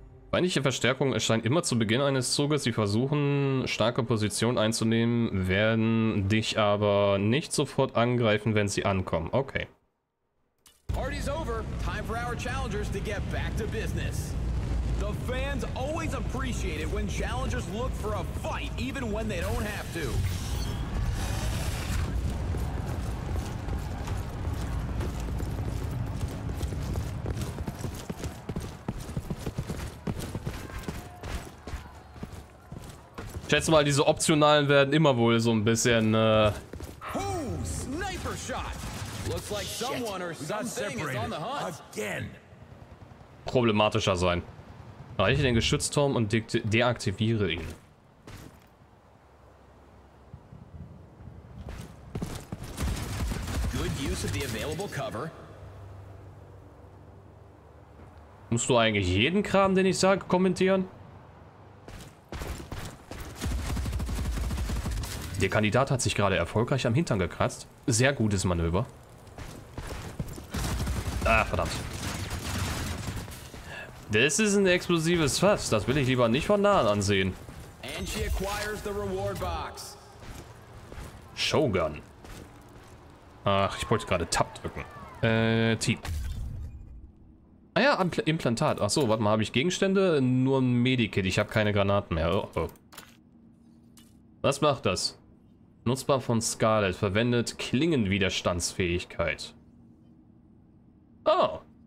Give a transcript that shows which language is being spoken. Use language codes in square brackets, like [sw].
[de] Feindliche Verstärkung erscheint immer zu Beginn eines Zuges. Sie versuchen, starke Positionen einzunehmen, werden dich aber nicht sofort angreifen, wenn sie ankommen. [en] Okay. Party's over. Time for our challengers to get back to business. The fans always appreciate it when challengers look for a fight, even when they don't have to. [de] Ich schätze mal, diese optionalen werden immer wohl so ein bisschen, [en] Sniper shot. Looks like someone or something is on the hunt. Again. [de] Problematischer sein. Erreiche den Geschützturm und deaktiviere ihn. [en] Good use of the available cover. [de] Musst du eigentlich jeden Kram, den ich sage, kommentieren? Der Kandidat hat sich gerade erfolgreich am Hintern gekratzt. Sehr gutes Manöver. Ah, verdammt. Das ist ein explosives Fass. Das will ich lieber nicht von nahen ansehen. [en] And she acquires the reward box. Shogun. [de] Ach, ich wollte gerade Tab drücken. Team. Ah ja, Implantat. Ach so, warte mal, habe ich Gegenstände? Nur ein Medikit. Ich habe keine Granaten mehr. Oh, oh. Was macht das? Nutzbar von Scarlet, verwendet Klingenwiderstandsfähigkeit. Oh.